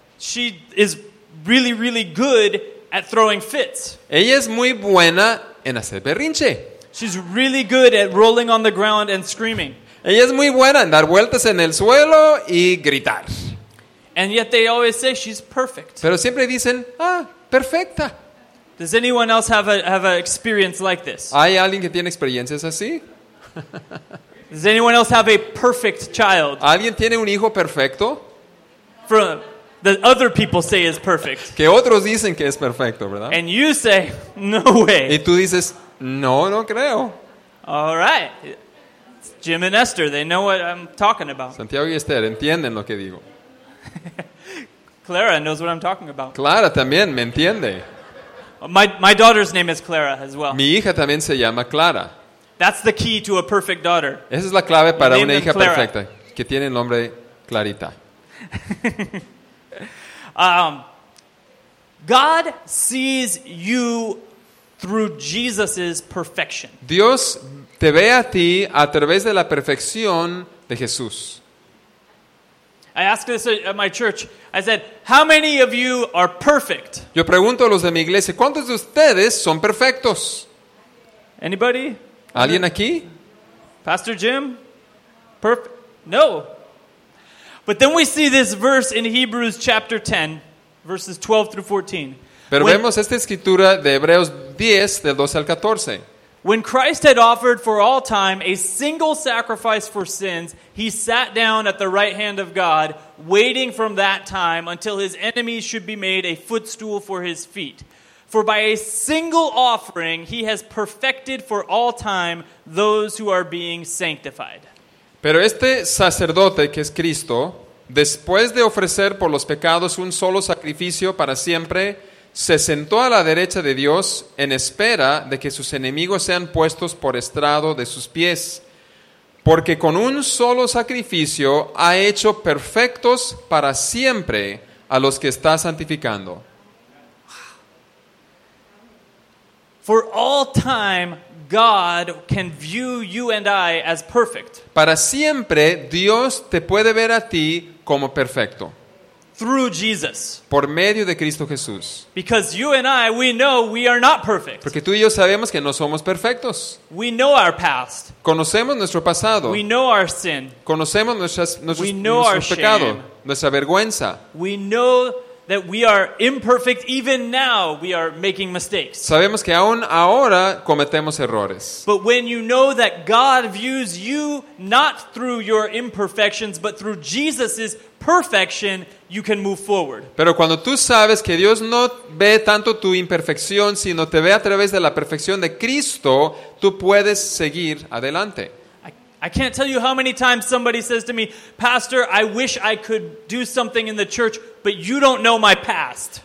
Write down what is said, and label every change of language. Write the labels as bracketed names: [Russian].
[English] She is really, really good at throwing fits. [Spanish] Ella es muy buena en hacer berrinche. [English] She's really good at rolling on the ground and screaming. [Spanish] Ella es muy buena en dar vueltas en el suelo y gritar. [English] And yet they always say she's perfect. [Spanish] Pero siempre dicen, ah, perfecta. [English] Does anyone else have an experience like this? [Spanish] ¿Hay alguien que tiene experiencias así? [English] Does anyone else have a perfect child? [Spanish] ¿Alguien tiene un hijo perfecto? [English] That other people say is perfect. [Spanish] Que otros dicen que es perfecto, ¿verdad? [English] And you say, no way. [Spanish] Y tú dices, no, no creo. [English] All right. It's Jim and Esther, they know what I'm talking about. [Spanish] Santiago y Esther entienden lo que digo. [English] Clara knows what I'm talking about. [Spanish] Clara también me entiende. [English] My daughter's name is Clara as well. [Spanish] Mi hija también se llama Clara. [English] That's the key to a perfect daughter. [Spanish] Esa es la clave para una hija perfecta que tiene el nombre Clarita. [English] God sees you through Jesus's perfection. [Spanish] Dios te ve a ti a través de la perfección de Jesús. [English] I asked this at my church. I said, "How many of you are perfect?" [Spanish] Yo pregunto a los de mi iglesia, ¿cuántos de ustedes son perfectos? [English] Anybody? [Spanish] ¿Alguien aquí? [English] Pastor Jim? Perfect? No. But then we see this verse in Hebrews chapter 10, verses 12 through 14. [Spanish] Pero vemos esta escritura de Hebreos 10, del 12 al 14. [English] When Christ had offered for all time a single sacrifice for sins, he sat down at the right hand of God, waiting from that time until his enemies should be made a footstool for his feet. For by a single offering he has perfected for all time those who are being sanctified. [Spanish] Pero este sacerdote, que es Cristo, después de ofrecer por los pecados un solo sacrificio para siempre, se sentó a la derecha de Dios en espera de que sus enemigos sean puestos por estrado de sus pies. Porque con un solo sacrificio ha hecho perfectos para siempre a los que está santificando. [English] For all time, God can view you and I as perfect. [Spanish] Para siempre, Dios te puede ver a ti como perfecto. [English] Through Jesus. [Spanish] Por medio de Cristo Jesús. [English] Because you and I, we know we are not perfect. [Spanish] Porque tú y yo sabemos que no somos perfectos. [English] We know our past. [Spanish] Conocemos nuestro pasado. [English] We know our sin. [Spanish] Conocemos nuestros pecados, nuestra vergüenza. [English] We know that we are imperfect. Even now, we are making mistakes. [Spanish] Sabemos que aún ahora cometemos errores. [English] But when you know that God views you not through your imperfections, but through Jesus's perfection, you can move forward. [Spanish] Pero cuando tú sabes que Dios no ve tanto tu imperfección, sino te ve a través de la perfección de Cristo, tú puedes seguir adelante. [English] I can't tell you how many times somebody says to me, "Pastor, I wish I could do something in the church, but you don't know my past."